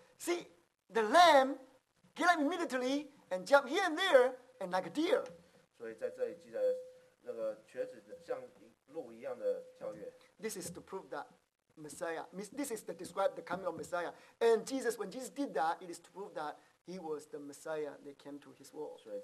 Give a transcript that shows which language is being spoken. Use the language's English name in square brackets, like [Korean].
[English] See, the lamb get up immediately and jump here and there and like a deer. [Chinese] 所以在这里记得那个瘸子像鹿一样的跳跃。 [English] This is to prove that Messiah. This is to describe the coming of Messiah. And Jesus, when Jesus did that, it is to prove that He was the Messiah that came to his world.